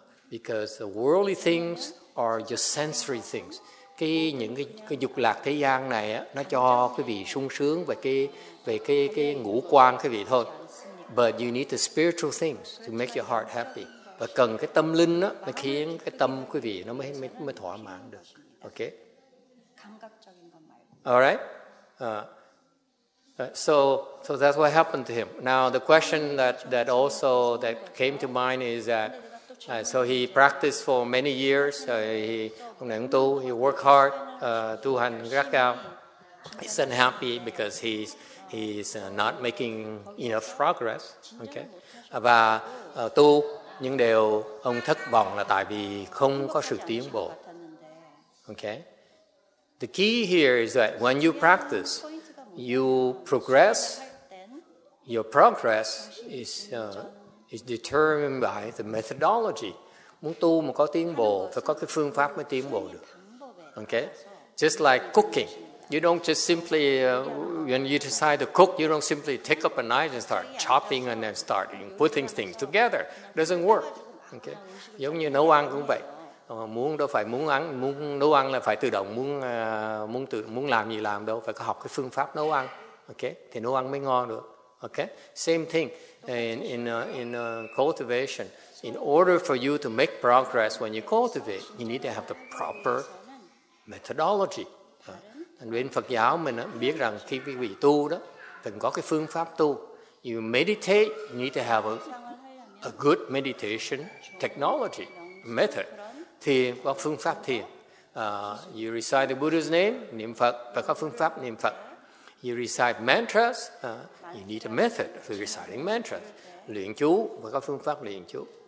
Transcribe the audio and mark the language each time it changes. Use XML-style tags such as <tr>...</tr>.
<en>Because the worldly things are just sensory things.</en> <vi>Những cái dục lạc thế gian này á, nó cho quý vị sung sướng về cái ngũ quan quý vị thôi.</vi> <en>But you need the spiritual things to make your heart happy.</en> <vi>Và cần cái tâm linh á, nó khiến cái tâm quý vị nó mới thỏa mãn được.</vi> <en>Okay? Alright? So that's what happened to him. Now the question that also came to mind is that so he practiced for many years. He worked hard,</en> <vi>tu hành rất cao.</vi> <en>He's unhappy because he's not making enough progress.</en> <vi>Okay, và tu những điều ông thất vọng là tại vì không có sự tiến bộ.</vi> <en>Okay, the key here is that when you practice, you progress. Your progress is determined by the methodology.</en> <vi>Muốn tu mà có tiến bộ phải có cái phương pháp mới tiến bộ được.</vi> <en>Okay, just like cooking, you don't just simply when you decide to cook, you don't simply take up a knife and start chopping and then start putting things together. Doesn't work.</en> <vi>Okay, giống như nấu ăn cũng vậy. Muốn làm gì làm đâu, phải có học cái phương pháp nấu ăn. Okay, thì nấu ăn mới ngon được.</vi> <en>Okay, same thing. In cultivation, in order for you to make progress when you cultivate, you need to have the proper methodology.</en> <vi>And bên Phật giáo mình biết rằng khi quý vị tu đó, cần có cái phương pháp tu.</vi> <en>You meditate, you need to have a good meditation technology, method.</en> <vi>Thiền, có phương pháp thiền.</vi> <en>You recite the Buddha's name,</en> <vi>niệm Phật, phải có phương pháp niệm Phật.</vi> <en>You recite mantras, you need a method for reciting mantras.</en> <vi>Luyện chú, phải có phương pháp luyện chú.</vi>